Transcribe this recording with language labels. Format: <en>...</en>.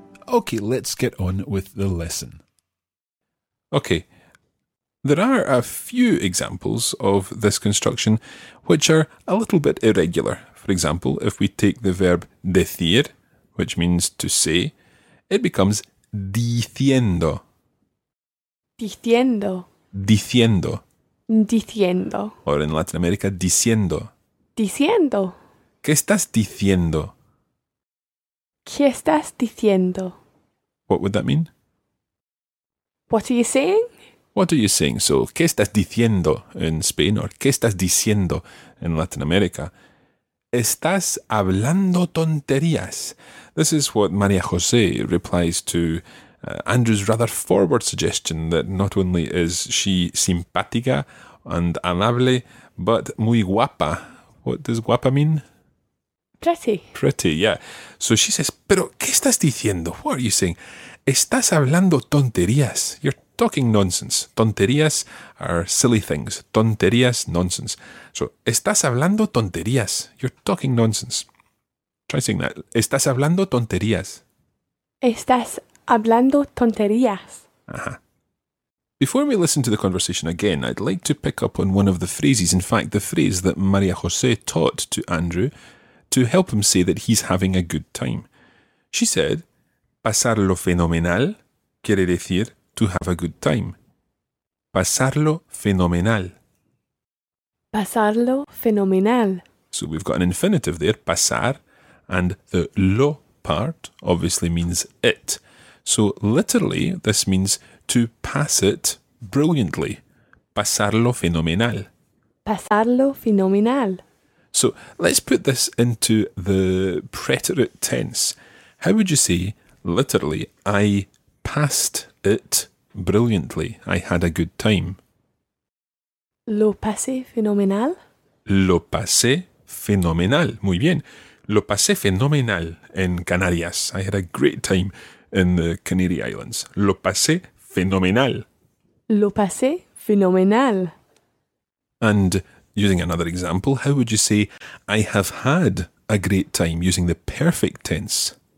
<en>Okay, let's get on with the lesson. Okay, there are a few examples of this construction which are a little bit irregular. For example, if we take the verb decir, which means to say, it becomes diciendo.</en> <es>Diciendo. Diciendo. diciendo. O en Latinoamérica, diciendo. Diciendo. ¿Qué estás diciendo? ¿Qué estás diciendo?</es> <en>What would that mean? What are you saying? What are you saying?</en> <es>So, ¿qué estás diciendo en Spain? Or, ¿qué estás diciendo en Latinoamérica? Estás hablando tonterías.</es> <en>This is what María José replies to Andrew's rather forward suggestion that not only is she simpática and amable, but muy guapa. What does guapa mean? Pretty. Pretty, yeah. So she says,</en> <es>pero ¿qué estás diciendo?</es> <en>What are you saying?</en> <es>Estás hablando tonterías.</es> <en>You're talking nonsense. Tonterías are silly things. Tonterías, nonsense.</en> <es>So, estás hablando tonterías.</es> <en>You're talking nonsense. Try saying that.</en> <es>Estás hablando tonterías. Estás hablando tonterías.</es> <en>Before we listen to the conversation again, I'd like to pick up on one of the phrases, in fact, the phrase that María José taught to Andrew to help him say that he's having a good time. She said,</en> <es>pasarlo fenomenal quiere decir</es> <en>to have a good time.</en> <es>Pasarlo fenomenal. Pasarlo fenomenal.</es> <en>So we've got an infinitive there, pasar, and the lo part obviously means it. So literally, this means to pass it brilliantly.</en> <es>Pasarlo fenomenal. Pasarlo fenomenal.</es> <en>So let's put this into the preterite tense. How would you say, literally, I passed it brilliantly. I had a good time.</en> <es>Lo pasé fenomenal. Lo pasé fenomenal. Muy bien. Lo pasé fenomenal en Canarias.</es> <en>I had a great time in the Canary Islands.</en> <es>Lo pasé fenomenal. Lo pasé fenomenal.</es> <en>And using another example, how would you say, I have had a great time using the perfect tense?</en>